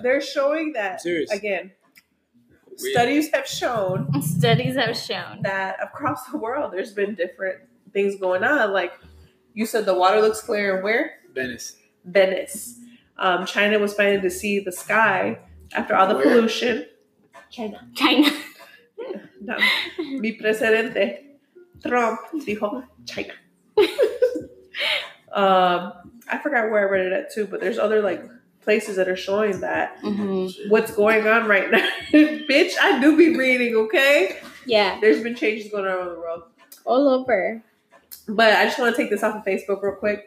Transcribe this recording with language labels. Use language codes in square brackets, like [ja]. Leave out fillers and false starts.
[en] They're showing that again. Weird. Studies have shown that across the world there's been different things going on. Like you said, the water looks clear where? Venice. China was finally to see the sky after all the pollution. China. No. [es] Mi presidente, Trump, dijo China. [en] I forgot where I read it at too, but there's other like places that are showing that what's going on right now. Bitch, I do be reading, okay? Yeah. There's been changes going on around the world. All over. But I just want to take this off of Facebook real quick.